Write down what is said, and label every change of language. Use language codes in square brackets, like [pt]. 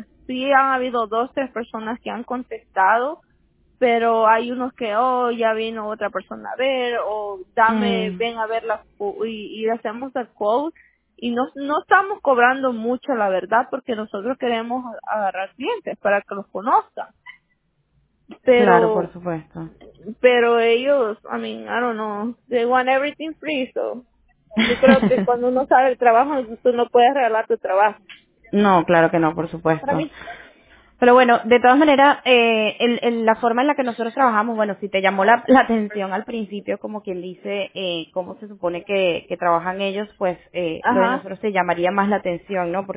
[es] Sí han habido 2, 3 personas que han contestado, pero hay unos que, oh, ya vino otra persona a ver, o dame, ven a verla y hacemos el call. Y no estamos cobrando mucho, la verdad, porque nosotros queremos agarrar clientes para que los conozcan. Pero, claro, por supuesto. Pero ellos, [en] I mean, I don't know, they want everything free, so. [es] Yo creo que cuando uno sabe el trabajo, tú no puedes regalar tu trabajo. No, claro que no, por supuesto. Pero bueno, de todas maneras, la forma en la que nosotros trabajamos, bueno, si te llamó la atención al principio, como quien dice, cómo se supone que trabajan ellos, pues lo de nosotros te llamaría más la atención, ¿no?